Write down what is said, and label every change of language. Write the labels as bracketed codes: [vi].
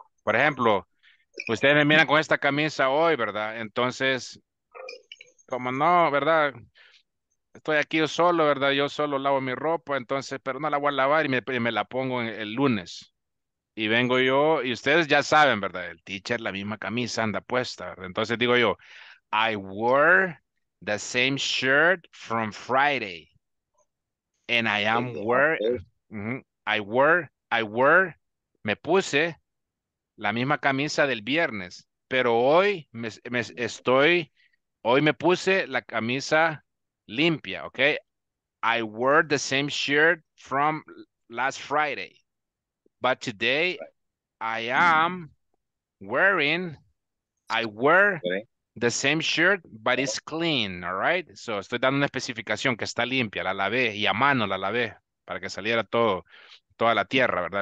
[es] Por ejemplo, ustedes me miran con esta camisa hoy, ¿verdad? Entonces, como no, ¿verdad? Estoy aquí solo, ¿verdad? Yo solo lavo mi ropa, entonces, pero no la voy a lavar y me la pongo el lunes. Y vengo yo, y ustedes ya saben, ¿verdad? El teacher, la misma camisa anda puesta, ¿verdad? Entonces digo yo, [en] I wore the same shirt from Friday. And I am wearing, [es] me puse la misma camisa del viernes. Pero hoy me puse la camisa limpia, ¿ok? [en] I wore the same shirt from last Friday. But today, I am wearing, the same shirt, but it's clean, all right? [es] So, estoy dando una especificación que está limpia, la lavé, y a mano la lavé, para que saliera todo, toda la tierra, ¿verdad?